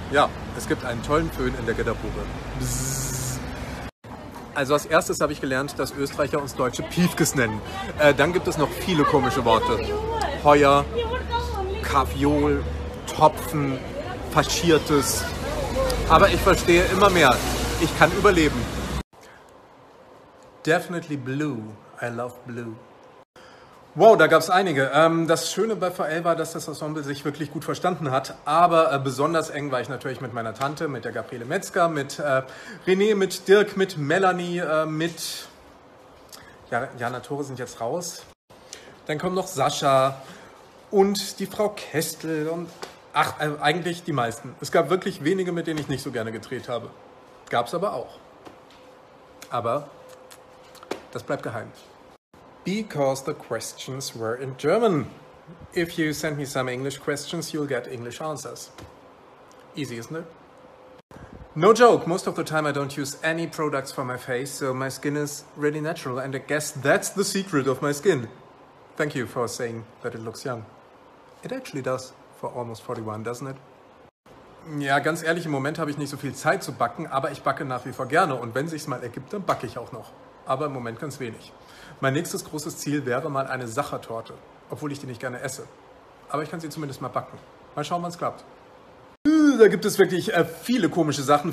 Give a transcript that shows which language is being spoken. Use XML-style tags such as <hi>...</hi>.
<de>Ja, es gibt einen tollen Föhn in der Garderobe. Bzzz. Also als erstes habe ich gelernt, dass Österreicher uns Deutsche Piefkes nennen. Dann gibt es noch viele komische Worte. Heuer, Kaviol, Topfen, Faschiertes. Aber ich verstehe immer mehr. Ich kann überleben.</de> <en>Definitely blue. I love blue.</en> <de>Wow, da gab es einige. Das Schöne bei VL war, dass das Ensemble sich wirklich gut verstanden hat. Aber besonders eng war ich natürlich mit meiner Tante, mit der Gabriele Metzger, mit René, mit Dirk, mit Melanie, mit... Jana, Thore sind jetzt raus. Dann kommen noch Sascha... Und die Frau Kestel und, ach, eigentlich die meisten. Es gab wirklich wenige, mit denen ich nicht so gerne gedreht habe. Gab es aber auch. Aber das bleibt geheim.</de> <en>Because the questions were in German. If you send me some English questions, you'll get English answers. Easy, isn't it? No joke, most of the time I don't use any products for my face, so my skin is really natural and I guess that's the secret of my skin. Thank you for saying that it looks young. It actually does for almost 41, doesn't it?</en> <de>Ja, ganz ehrlich, im Moment habe ich nicht so viel Zeit zu backen, aber ich backe nach wie vor gerne und wenn sich's mal ergibt, dann backe ich auch noch. Aber im Moment ganz wenig. Mein nächstes großes Ziel wäre mal eine Sachertorte, obwohl ich die nicht gerne esse. Aber ich kann sie zumindest mal backen. Mal schauen, wann es klappt. Da gibt es wirklich viele komische Sachen.</de>